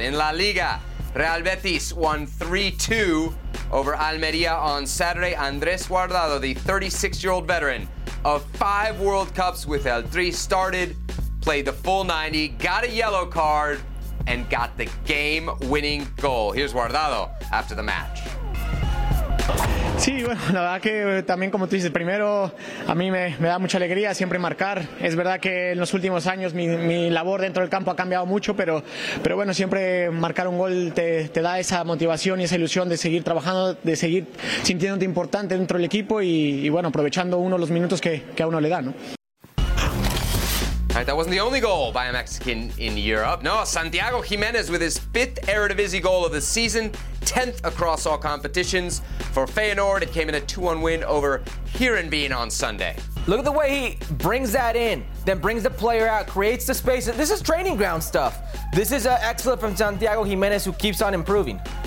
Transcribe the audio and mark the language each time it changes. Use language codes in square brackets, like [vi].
[en] In La Liga, Real Betis won 3-2 over Almeria on Saturday. Andres Guardado, the 36-year-old veteran of 5 World Cups with El Tri, started, played the full 90, got a yellow card, and got the game-winning goal. Here's Guardado after the match. [es] Sí, bueno, la verdad que también como tú dices, primero a mí me da mucha alegría siempre marcar. Es verdad que en los últimos años mi labor dentro del campo ha cambiado mucho, pero bueno, siempre marcar un gol te da esa motivación y esa ilusión de seguir trabajando, de seguir sintiéndote importante dentro del equipo y bueno, aprovechando uno los minutos que a uno le da, ¿no? [en] Right, that wasn't the only goal by a Mexican in Europe. No, Santiago Jimenez with his 5th Eredivisie goal of the season, 10th across all competitions. For Feyenoord, it came in a 2-1 win over Heerenveen on Sunday. Look at the way he brings that in, then brings the player out, creates the space. This is training ground stuff. This is excellent from Santiago Jimenez, who keeps on improving.